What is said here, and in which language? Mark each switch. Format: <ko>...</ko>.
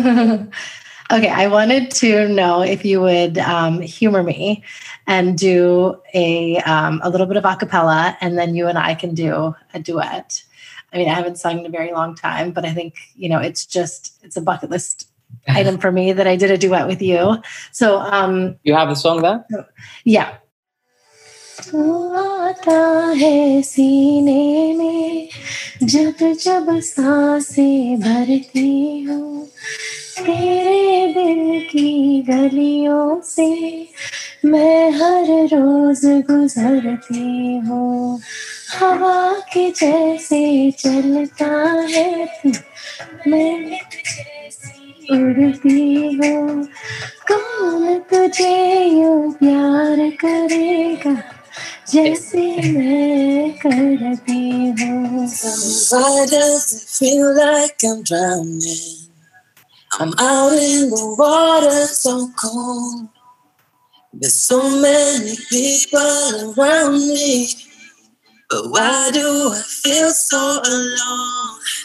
<en>Okay, I wanted to know if you would humor me and do a little bit of a cappella, and then you and I can do a duet. I mean, I haven't sung in a very long time, but I think, you know, it's a bucket list item for me that I did a duet with you. So you have a song there? Yeah.</en> <hi>तू आता है सीने में जब जब सांसें भरती हूँ तेरे दिल की गलियों से मैं हर रोज गुजरती हूँ हवा के जैसे चलता है तू मैं उड़ती हूँ कौन तुझे यूं प्यार करेगा जैसे मैं करती हूँ.</hi> <en>Why does it feel like I'm drowning? I'm out in the water so cold. There's so many people around me, but why do I feel so alone?</en>